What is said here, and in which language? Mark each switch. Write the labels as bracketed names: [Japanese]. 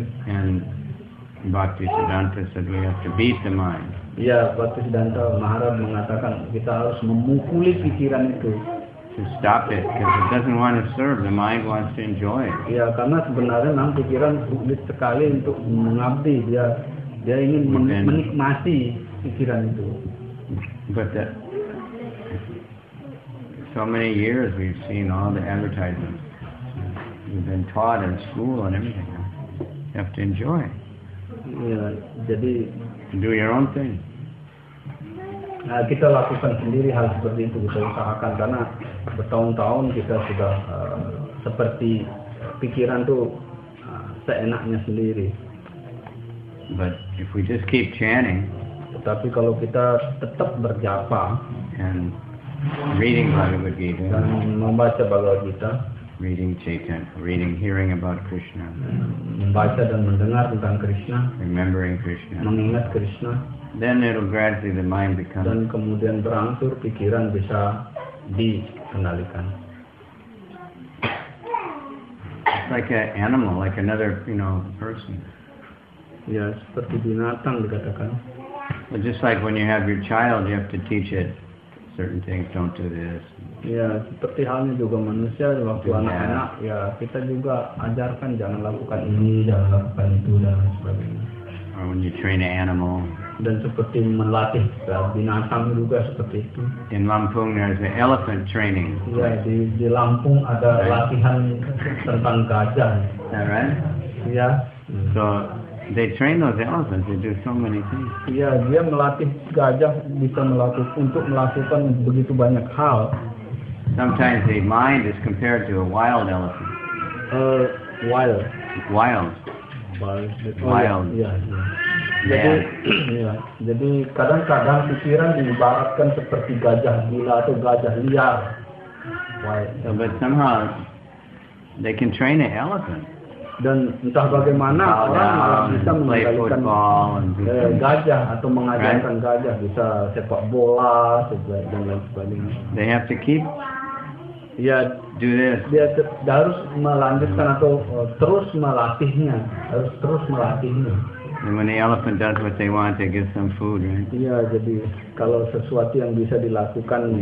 [English] And Bhakti Siddhanta said we have to beat the mind. [Indonesian] Ya, Bhakti Siddhanta Maharaj mengatakan kita harus memukuli pikiran itu. [English] To stop it, because it doesn't want to serve. The mind wants to enjoy it. [Indonesian] Ya, karena sebenarnya memang pikiran sulit sekali untuk mengabdi. Dia ingin menikmati pikiran itu. [English] But that, so many years we've seen all the advertisements. We've been taught in school and everything. You have to enjoy. [Indonesian] Ya, jadi [English] do your own thing. [Indonesian] Nah, kita lakukan sendiri hal seperti itu, kita usahakan, karena bertahun-tahun kita sudah seperti pikiran tuh seenaknya sendiri. [English] But if we just keep chanting, [Indonesian] tapi kalau kita tetap berjapa [English] and reading Bhagavad Gita, [Indonesian] dan membaca Bhagavad Gita, [English] reading Chaitanya, reading, hearing about Krishna, [Indonesian] membaca dan mendengar tentang Krishna, [English] remembering Krishna, [Indonesian] mengingat Krishna, [English] then it'll gradually the mind becomes, [Indonesian] dan kemudian berangsur pikiran bisa dikendalikan. [English] It's like an animal, like another, you know, person. [Indonesian] Ya, seperti binatang dikatakan. [English] But just like when you have your child, you have to teach it certain things, don't do this. [Indonesian] Ya, seperti halnya juga manusia waktu anak-anak, ya kita juga ajarkan jangan lakukan ini, jangan lakukan itu dan sebagainya. [English] Or when you train an animal. [Indonesian] Dan seperti melatih binatang juga seperti itu. [English] In Lampung there's an elephant training. [Indonesian] Ya, di Lampung ada right. Latihan tentang gajah. [English] Is that right? [Indonesian] Ya. [English] So they train those elephants to do so many things. [Indonesian] Ya, dia melatih gajah bisa melakukan untuk melakukan begitu banyak hal. [English] Sometimes the mind is compared to a wild elephant. Wild. Wild. Wild. Yeah. [Indonesian] Jadi, yeah. Jadi kadang-kadang pikiran diibaratkan seperti gajah gila atau gajah liar. [English] Wild. But somehow they can train an elephant. [Indonesian] Dan entah bagaimana orang malah bisa mengajarkan gajah atau mengajarkan Gajah bisa sepak bola dan lain sebagainya. [English] They have to keep. [Indonesian] Ya, [English] do this. [Indonesian] Dia harus melanjutkan atau terus melatihnya, harus terus melatihnya. [English] And when the elephant does what they want, they give some food, right? [Indonesian] Ya, jadi kalau sesuatu yang bisa dilakukan,